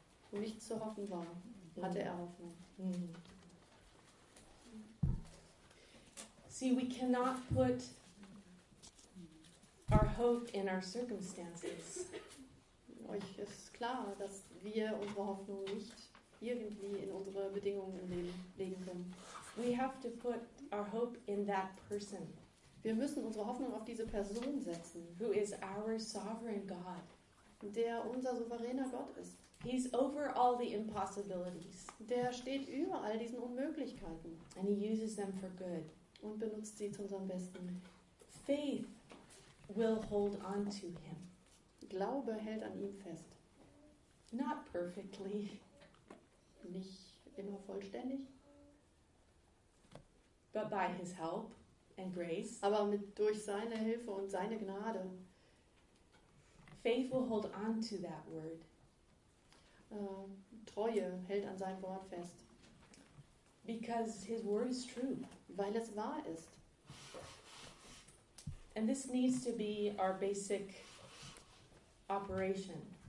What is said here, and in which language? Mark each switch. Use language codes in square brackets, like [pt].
[de] Wo nichts zu hoffen war, hatte er Hoffnung. [en] See, we cannot put our hope in our circumstances. [de] Euch ist klar, dass wir unsere Hoffnung nicht irgendwie in unsere Bedingungen legen können. [en] We have to put our hope in that person. [de] Wir müssen unsere Hoffnung auf diese Person setzen. [en] Who is our sovereign God. [de] Der unser souveräner Gott ist. [en] He's over all the impossibilities. [de] Der steht über all diesen Unmöglichkeiten. [en] And he uses them for good. [de] Und benutzt sie zu unserem Besten. [en] Faith will hold on to him. [de] Glaube hält an ihm fest. [en] Not perfectly. [de] Nicht immer vollständig. [en] But by his help and grace. [de] Aber mit durch seine Hilfe und seine Gnade. [en] Faith will hold on to that word. [de] Treue hält an seinem Wort fest. [en] Because his word is true. [de] Weil es wahr ist. [en] And this needs to be our basic operation.